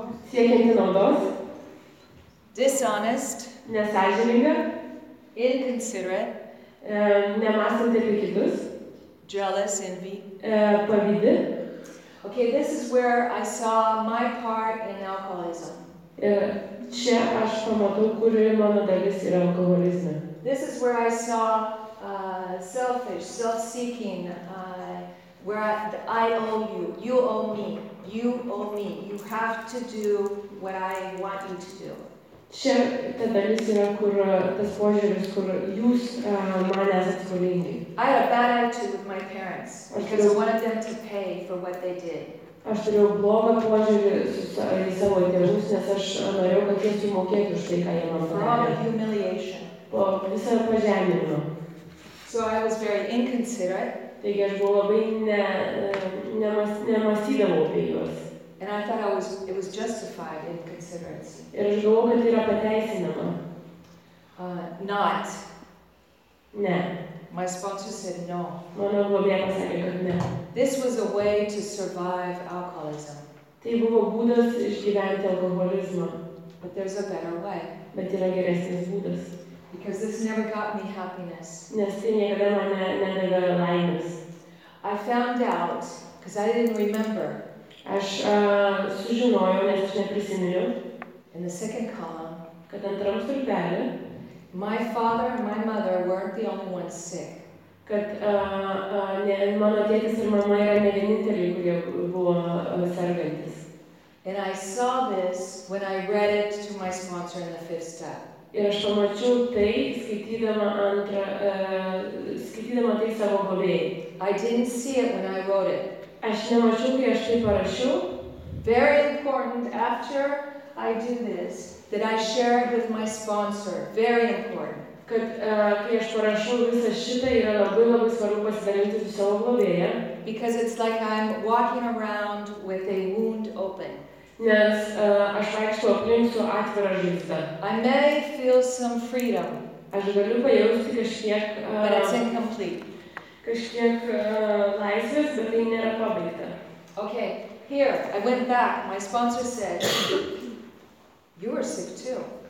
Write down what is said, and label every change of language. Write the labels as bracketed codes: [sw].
[lt] Siekinti naudos. [en] Dishonest, [lt] nesąžininga, [en] inconsiderate, [lt] nemąstant apie kitus, [en] jealous, envy, [lt] pavydi. [en] Okay, this is where I saw my part in alcoholism. [lt] Čia aš pamatau, kuri mano dalis yra alkoholizme. [en] This is where I saw selfish, self-seeking, where I owe you, you owe me, you owe me. You have to do what I want you to do. [lt] Čia ta dalis yra, kur tas požiūris, kur jūs man esat skolingi. [en] I had a bad attitude with my parents because I wanted them to pay for what they did. [lt] Aš turėjau blogą požiūrį į savo tėvus, nes aš norėjau, kad jie sumokėtų už tai, ką jie man padarė. [en] For all the humiliation. [lt] Po visą pažeminimą. [en] So I was very inconsiderate. [lt] Taigi aš buvau labai nemąstydavau apie juos. [en] And I thought it was justified in considerance. [lt] Ir aš galvojau, kad yra pateisinama. [en] Not. [lt] Ne. [en] My sponsor said no. [lt] Mano globėja pasakė, kad ne. [en] This was a way to survive alcoholism. [lt] Tai buvo būdas išgyventi alkoholizmą. [en] But there's a better way. [lt] Bet yra geresnis būdas. [en] Because this never got me happiness. [lt] Nes tai niekada man nedavė laimės. [en] I found out, because I didn't remember. [lt] Aš sužinojau, nes aš neprisiminiau. [en] In the second column, [lt] kad antram stulpelį, [en] my father and my mother weren't the only ones sick. [lt] Kad mano tėtis ir mama yra ne vieninteliai, kurie buvo sergantys. [en] And I saw this when I read it to my sponsor in the fifth step. [lt] Ir aš pamačiau tai, skaitydama tai savo globėjai. [en] I didn't see it when I wrote it. [lt] Aš nemačiau, kai aš tai parašiau. [en] Very important, after I do this, that I share it with my sponsor, very important. [lt] Kad kai aš parašau visą šitą, yra labai labai svarbu pasidalinti su savo globėja. [en] Because it's like I'm walking around with a wound open. [lt] Nes aš vaikštau aplink su atvira žaizda. [en] I may feel some freedom. [lt] Aš galiu pajausti kažkiek, [en] but it's incomplete. [lt] Kažkiek laisvės, bet tai nėra pabaigta. [en] Okay, here, I went back, my sponsor said, you are sick too.